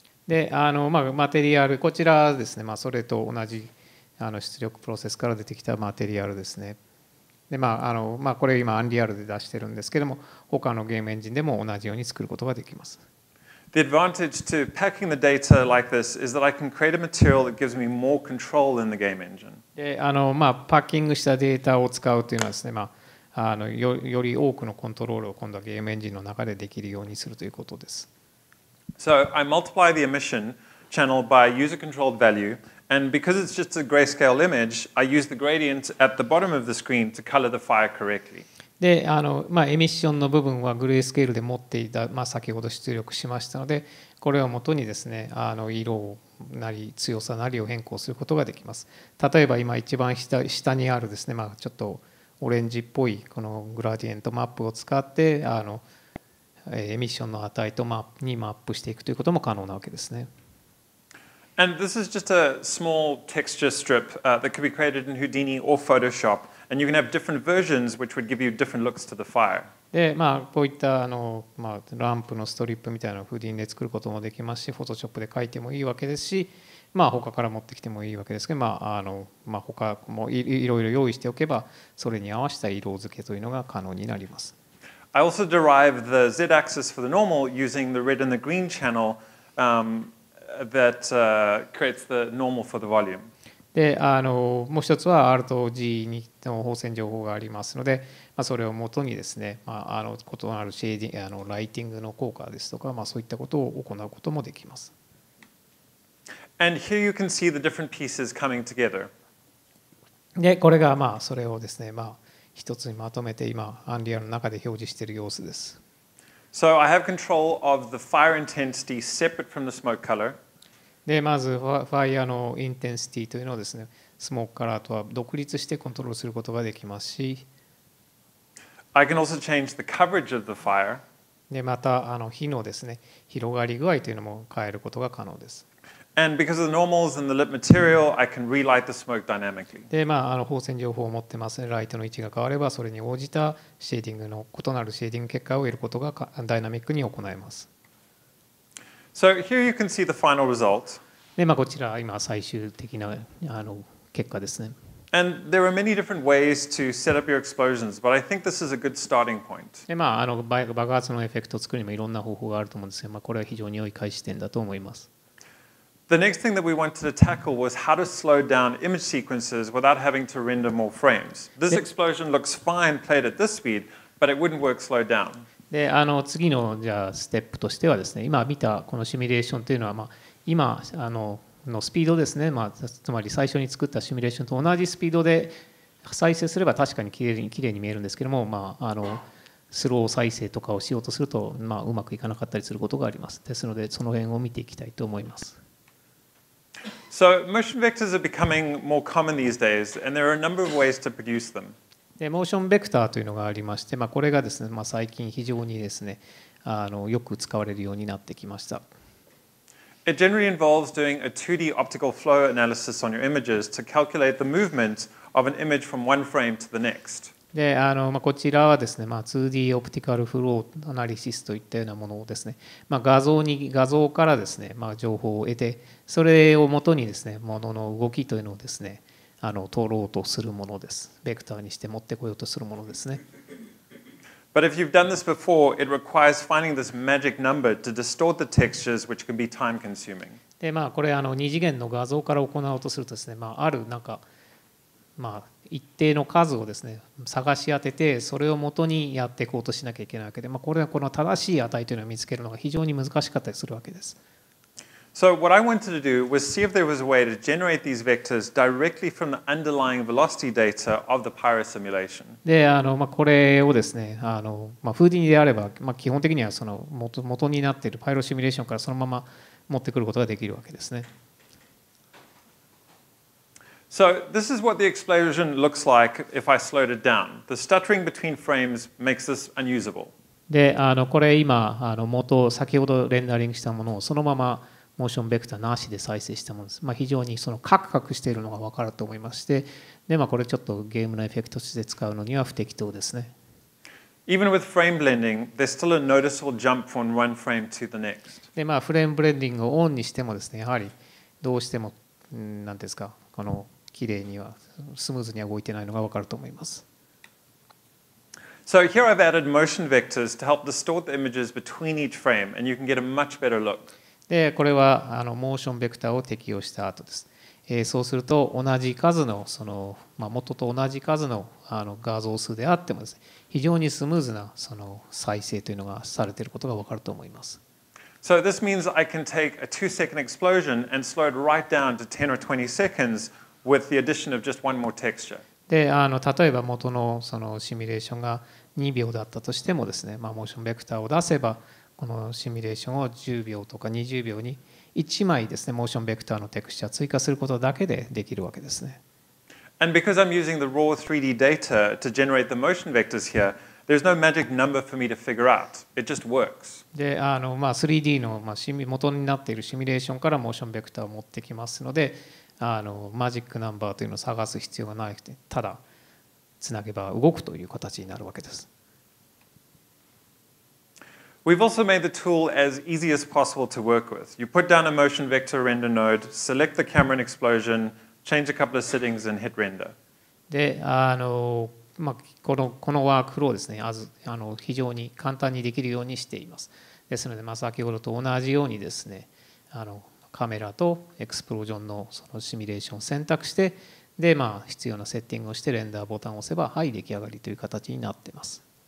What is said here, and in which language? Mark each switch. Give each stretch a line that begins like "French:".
Japanese: で、あの、まあ、マテリアル、こちらですね、まあ、それと同じあの出力プロセスから出てきたマテリアルですね。で、まあ、あの、まあ、これ今、Unreal で出してるんですけども、他のゲームエンジンでも同じように作ることができます。
English: The advantage to packing the data like this is that I can create a material that gives me more control in the game engine.
Japanese: で、あの、まあ、パッキングしたデータを使うというのはですね、まあ、あの、より多くのコントロールを今度はゲームエンジンの中でできるようにするということです。
English: So I multiply the emission channel by user controlled value, and because it's just a grayscale image, I use the gradient at the bottom of the screen to color the fire correctly.
Japanese: で、あの、まあ、エミッションの部分はグレースケールで持っていた、まあ、先ほど出力しましたので、これをもとにですね、あの色なり強さなりを変更することができます。例えば今一番 下にあるですね、まあ、ちょっとオレンジっぽいこのグラディエントマップを使って、あのエミッションの値とマップにマップしていくということも可能なわけですね。
English: And this is just a small texture strip that could be created in Houdini or Photoshop. And you can have different versions which would give you different looks to the fire.
Japanese: で、まあ、こういったあの、まあ、ランプのストリップみたいなのをフーディンで作ることもできますし、フォトショップで描いてもいいわけですし、まあ、他から持ってきてもいいわけですけど、まあ、あの、まあ、他もいろいろ用意しておけば、それに合わせた色付けというのが可能になります。
English: I also derive the z-axis for the normal using the red and the green channel that creates the normal for the volume.
Japanese: で、もう一つは R と G の放線情報がありますので、まあ、それをもとにですね、まあ、異なるシェーディング、ライティングの効果ですとか、まあ、そういったことを行うこともできます。
English: And here you can see the different pieces coming together.
Japanese: で、これがまあそれをですね、まあ一つにまとめて今、アンリアルの中で表示している様子です。
English: So I have control of the fire intensity separate from the smoke color.
Japanese: で、まずファイアのインテンシティというのをですね、スモークカラーとは独立してコントロールすることができますし、
English: I can also change the coverage of the fire.
Japanese: で、また火のですね、広がり具合というのも変えることが可能です。
English: And because of the normals and the lit material, I can relight the smoke dynamically.
Japanese: で、まあ、放線情報を持ってますね。ライトの位置が変われば、それに応じたシェーディングの異なるシェーディング結果を得ることがダイナミックに行えます。
English: So here you can see the final result.
Japanese: で、まあ、こちら今最終的な結果ですね。
English: And there are many different ways to set up your explosions, but I think this is a good starting point.
Japanese: で、まあ、爆発のエフェクトを作るにもいろんな方法があると思うんですが、まあ、これは非常に良い開始点だと思います。
English: The next thing that we wanted to tackle was how to slow down image sequences without having to render more frames. This explosion looks fine played at this speed, but it wouldn't work slowed down.
Japanese: で、次のじゃあステップとしてはですね、今見たこのシミュレーションというのは、まあ、今のスピードですね、まあ、つまり最初に作ったシミュレーションと同じスピードで再生すれば確かに綺麗に見えるんですけども、まあ、スロー再生とかをしようとすると、まあ、うまくいかなかったりすることがあります。ですので、その辺を見ていきたいと思います。
English: So motion vectors are becoming more common these days, and there are a number of ways to produce them.
Japanese: で、モーションベクターというのがありまして、まあ、これがですね、まあ、最近非常にですね、よく使われるようになってきました。
English: It generally involves doing a 2D optical flow analysis on your images to calculate the movement of an image from one frame to the next.
Japanese: で、まあ、こちらはですね、まあ、2D オプティカルフローアナリシスといったようなものをですね、まあ、画像からですね、まあ、情報を得て、それをもとにですね、ものの動きというのをですね、取ろうとするものです。ベクターにして持ってこようとするものですね。
English: But if you've done this before, it requires finding this magic number to distort the textures, which can be time consuming.
Japanese: で、まあ、これ二次元の画像から行おうとするとですね、まあ、あるなんか、まあ、一定の数をですね、探し当てて、それをもとにやっていこうとしなきゃいけないわけで、まあ、これはこの正しい値というのを見つけるのが非常に難しかったりするわけです。
English: So what I wanted to do was see if there was a way to generate these vectors directly from the underlying velocity data of the pyro simulation.
Japanese: で、まあ、これをですね、まあ、フーディニであれば、まあ、基本的にはその元になっているパイロシミュレーションからそのまま持ってくることができるわけですね。
English: So this is what the explosion looks like if I slowed it down. The stuttering between frames makes this unusable.
Japanese: で、これ今先ほどレンダリングしたものをそのままモーションベクターなしで再生したものです。まあ、非常にそのカクカクしているのが分かると思いまして、で、まあ、これちょっとゲームのエフェクトとして使うのには不適当ですね。
English: Even with frame blending, there's still a noticeable jump from one frame to the next.
Japanese: で、まあ、フレームブレンディングをオンにしてもですね、やはりどうしても、なんですか、この綺麗には、スムーズには動いてないのが分かると思います。
English: So here I've added motion vectors to help distort the images between each frame, and you can get a much better look.
Japanese: で、これはモーションベクターを適用した後です。そうすると同じ数のその、まあ、元と同じ数の画像数であってもですね、非常にスムーズなその再生というのがされていることがわかると思います。
English: So this means I can take a 2-second explosion and slow it right down to 10 or 20 seconds with the addition of just one more texture.
Japanese: で、例えば元のそのシミュレーションが2秒だったとしてもですね、まあ、モーションベクターを出せば。このシミュレーションを10秒とか20秒に1枚ですね、モーションベクターのテクスチャを追加することだけでできるわけですね。
English: And because I'm using the raw 3D data to generate the motion vectors here, there's no magic number for me to figure out. It just works.
Japanese: で、まあ、3D の元になっているシミュレーションからモーションベクターを持ってきますので、マジックナンバーというのを探す必要がなくて、ただつなげば動くという形になるわけです。
English: We've also made the tool as easy as possible to work with. You put down a motion vector render node, select the camera and explosion, change a couple of settings and hit render.
Japanese: で、まあ、このワークフローをですね、非常に簡単にできるようにしています。ですので、まあ、先ほどと同じようにですね、カメラとエクスプロージョン の, そのシミュレーションを選択して、で、まあ、必要なセッティングをしてレンダーボタンを押せば、はい、出来上がりという形になっています。